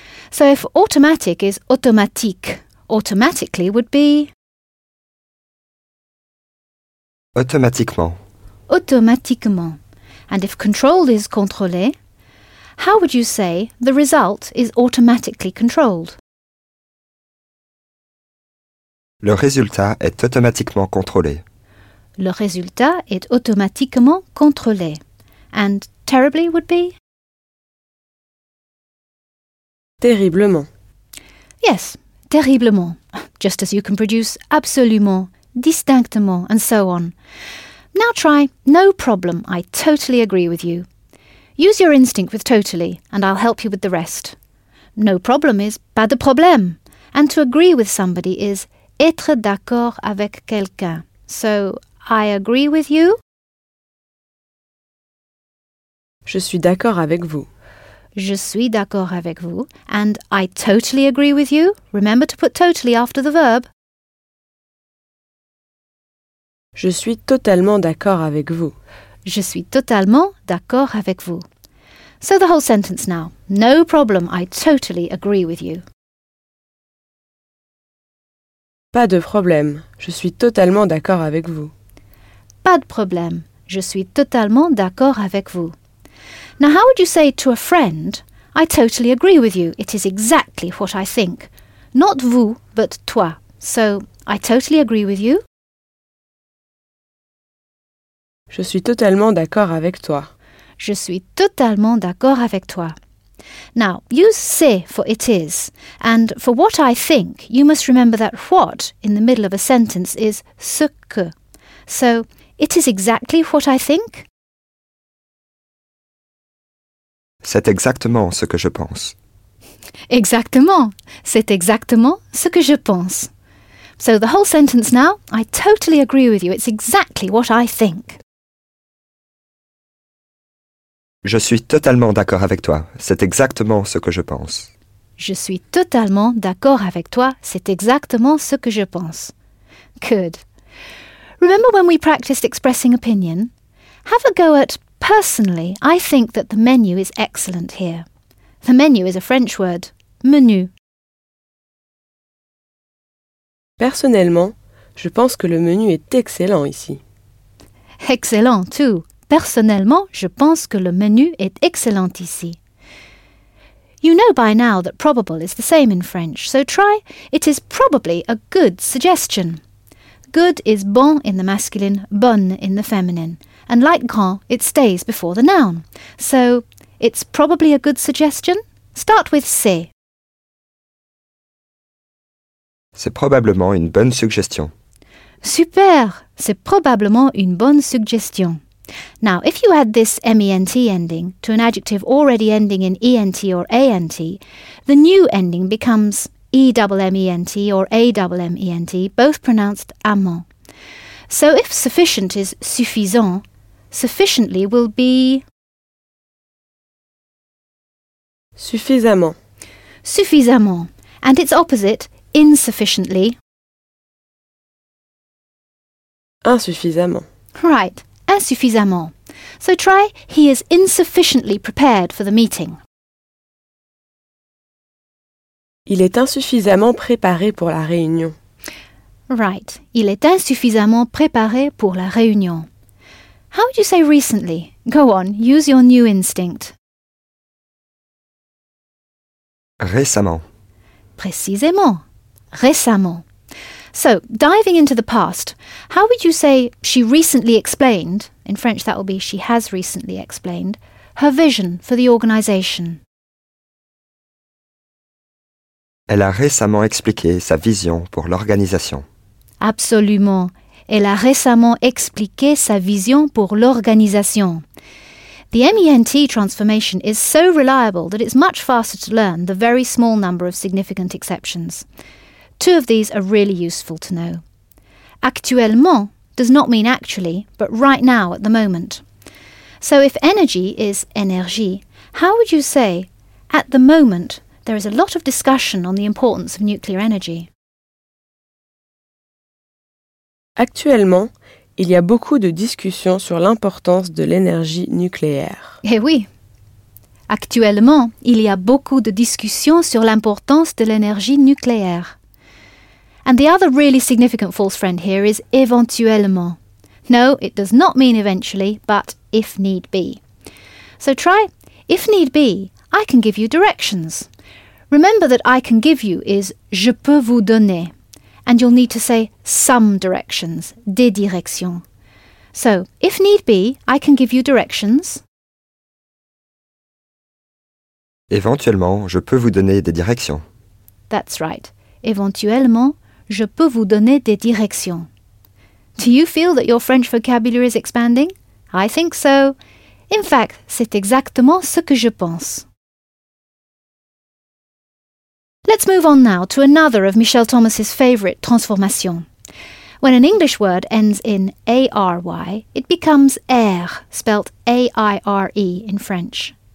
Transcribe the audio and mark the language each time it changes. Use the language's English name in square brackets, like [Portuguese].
[English] So if automatic is automatique, automatically would be... [French] automatiquement. Automatiquement. [English] And if controlled is contrôlé, how would you say the result is automatically controlled? [French] Le résultat est automatiquement contrôlé. Le résultat est automatiquement contrôlé. [English] And terribly would be? [French] Terriblement. [English] Yes, terriblement. Just as you can produce absolument, distinctement, and so on. Now try, no problem, I totally agree with you. Use your instinct with totally, and I'll help you with the rest. No problem is [French] pas de problème, [English] and to agree with somebody is [French] être d'accord avec quelqu'un. [English] So, I agree with you. [French] Je suis d'accord avec vous. Je suis d'accord avec vous, [English] and I totally agree with you. Remember to put totally after the verb. [French] Je suis totalement d'accord avec vous. Je suis totalement d'accord avec vous. [English] So the whole sentence now. No problem, I totally agree with you. [French] Pas de problème, je suis totalement d'accord avec vous. Pas de problème, je suis totalement d'accord avec vous. [English] Now how would you say to a friend, I totally agree with you, it is exactly what I think. Not vous, but toi. So, I totally agree with you. [French] Je suis totalement d'accord avec toi. Je suis totalement d'accord avec toi. [English] Now, use se for it is, and for what I think, you must remember that what in the middle of a sentence is ce que. So, it is exactly what I think. [French] C'est exactement ce que je pense. Exactement. C'est exactement ce que je pense. [English] So the whole sentence now, I totally agree with you. It's exactly what I think. [French] Je suis totalement d'accord avec toi. C'est exactement ce que je pense. Je suis totalement d'accord avec toi. C'est exactement ce que je pense. [English] Good. Remember when we practiced expressing opinion? Have a go at personally, I think that the menu is excellent here. The menu is a French word, menu. [French] Personnellement, je pense que le menu est excellent ici. [English] Excellent too. [French] Personnellement, je pense que le menu est excellent ici. [English] You know by now that probable is the same in French, so try, it is probably a good suggestion. Good is bon in the masculine, bonne in the feminine. And like grand, it stays before the noun. So, it's probably a good suggestion. Start with c'est. [French] C'est probablement une bonne suggestion. Super! C'est probablement une bonne suggestion. [English] Now, if you add this ment ending to an adjective already ending in ent or ant, the new ending becomes emment or amment, both pronounced amant. So, if sufficient is suffisant, sufficiently will be [French] suffisamment. Suffisamment. [English] And its opposite, insufficiently, [French] insuffisamment. [English] Right. Insuffisamment. So try, he is insufficiently prepared for the meeting. [French] Il est insuffisamment préparé pour la réunion. [English] Right. [French] Il est insuffisamment préparé pour la réunion. [English] How would you say recently? Go on, use your new instinct. [French] Récemment. Précisément. Récemment. [English] So, diving into the past, how would you say she recently explained, in French that will be she has recently explained, her vision for the organisation? [French] Elle a récemment expliqué sa vision pour l'organisation. Absolument. Elle a récemment expliqué sa vision pour l'organisation. [English] The MENT transformation is so reliable that it's much faster to learn the very small number of significant exceptions. Two of these are really useful to know. Actuellement does not mean actually, but right now, at the moment. So if energy is énergie, how would you say, at the moment, there is a lot of discussion on the importance of nuclear energy? [French] Actuellement, il y a beaucoup de discussions sur l'importance de l'énergie nucléaire. Eh oui. Actuellement, il y a beaucoup de discussions sur l'importance de l'énergie nucléaire. [English] And the other really significant false friend here is éventuellement. No, it does not mean eventually, but if need be. So try, if need be, I can give you directions. Remember that I can give you is [French] je peux vous donner. [English] And you'll need to say some directions, [French] des directions. [English] So, if need be, I can give you directions. [French] Éventuellement, je peux vous donner des directions. [English] That's right. [French] Éventuellement, je peux vous donner des directions. [English] Do you feel that your French vocabulary is expanding? I think so. In fact, [French] c'est exactement ce que je pense. [English] Let's move on now to another of Michel Thomas's favourite transformations. When an English word ends in A-R-Y, it becomes air, spelt A-I-R-E in French.